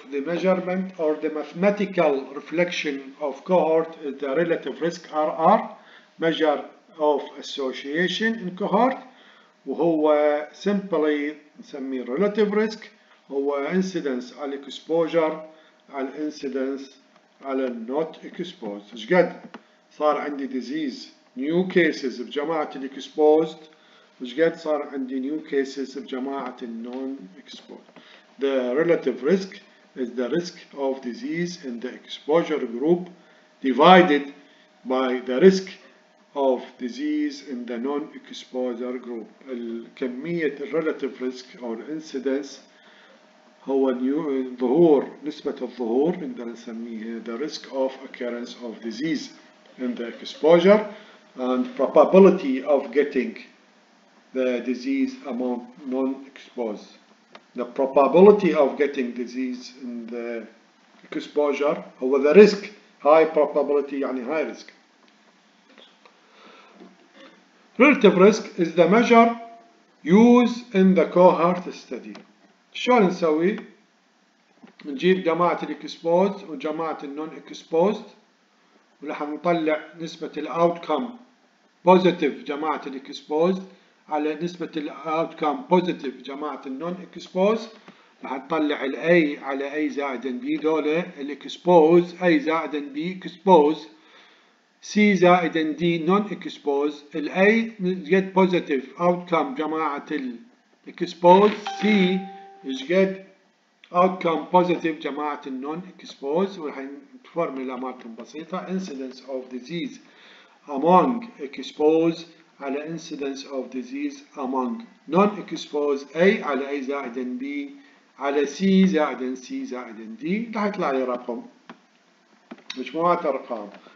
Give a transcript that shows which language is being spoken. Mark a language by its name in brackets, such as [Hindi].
[English] the measurement or the mathematical reflection of cohort is the relative risk RR, measure of association in cohort, [Arabic] وهو [English] simply [Arabic] نسمي [English] relative risk, هو incidence على exposure على incidence على not exposed. [Arabic] إيش قد صار عندي [English] disease new cases [Arabic] بجماعة اللي exposed, إيش قد صار عندي [English] new cases [Arabic] بجماعة [English] non exposed. The relative risk is the risk of disease in the exposure group divided by the risk of disease in the non-exposure group. [Arabic] الكمية [English] relative risk or incidence [Arabic] هو ظهور نسبة الظهور عندنا نسميها [English] the risk of occurrence of disease in the exposure and probability of getting the disease among non-exposed. The probability of getting disease in the exposure هو the risk, high probability [Arabic] يعني [English] high risk. Relative risk is the measure used in the cohort study. [Arabic] شلون نسوي؟ نجيب جماعة الاكسبوزد وجماعة النون اكسبوزد وراح نطلع نسبة الاوتكم بوزيتيف جماعة الاكسبوزد على نسبة الاوتكم بوزيتيف جماعة النون اكسبوزد. راح نطلع ال A على A زائد B دولة الاكسبوز A زائد B اكسبوز C زائد D non-exposed. [English] ال A get positive outcome [Arabic] جماعة ال [English] exposed. C is get outcome positive [Arabic] جماعة ال [English] non-exposed. [Arabic] ورحن فورمولا مالتهم بسيطة. [English] Incidence of disease among exposed على incidence of disease among non-exposed. [Arabic] A على A زائد B على C زائد C زائد D. راح يطلع لي رقم. مجموعة أرقام.